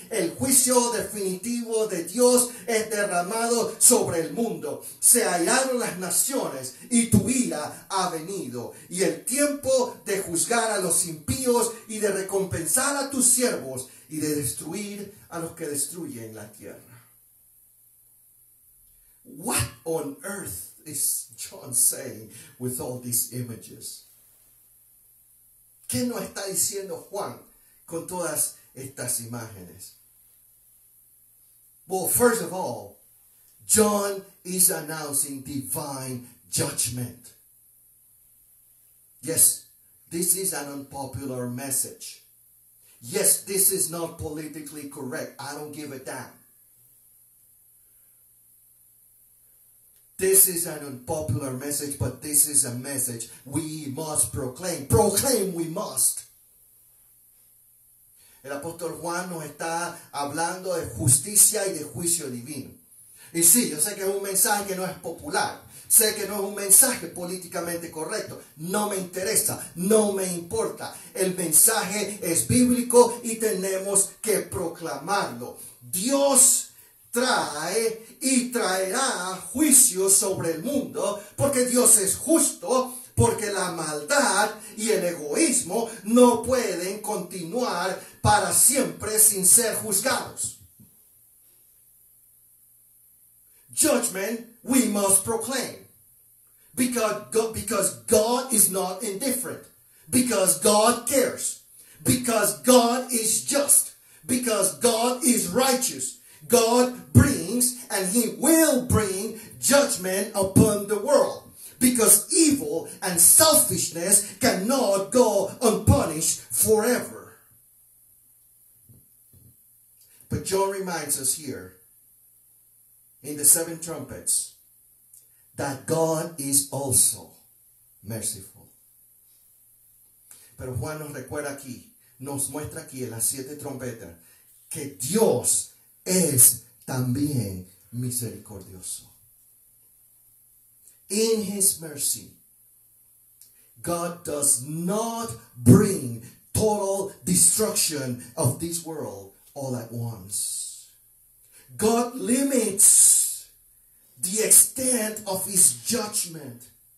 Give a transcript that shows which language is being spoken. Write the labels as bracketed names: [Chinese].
[Spanish] El juicio definitivo de Dios es derramado sobre el mundo. Se airaron las naciones y tu ira ha venido. Y el tiempo de juzgar a los impíos y de recompensar a tus siervos y de destruir a los que destruyen la tierra. [English] What on earth is John saying with all these images? [Spanish] ¿Qué nos está diciendo Juan con todas estas imágenes? [English] Well, first of all, John is announcing divine judgment. Yes, this is an unpopular message. Yes, this is not politically correct. I don't give a damn. This is an unpopular message, but this is a message we must proclaim. Proclaim we must. [Spanish] El apóstol Juan nos está hablando de justicia y de juicio divino. Y sí, yo sé que es un mensaje que no es popular. Sé que no es un mensaje políticamente correcto. No me interesa, no me importa. El mensaje es bíblico y tenemos que proclamarlo. Dios trae y traerá juicio sobre el mundo, porque Dios es justo, porque la maldad y el egoísmo no pueden continuar para siempre sin ser juzgados. [English] Judgment we must proclaim, because God is not indifferent, because God cares, because God is just, because God is righteous. God brings and he will bring judgment upon the world, because evil and selfishness cannot go unpunished forever. But John reminds us here in the seven trumpets that God is also merciful. [Spanish] Pero Juan nos recuerda aquí, nos muestra aquí en las siete trompetas que Dios es también misericordioso. [English] In his mercy, God does not bring total destruction of this world all at once. God limits the extent of his judgment.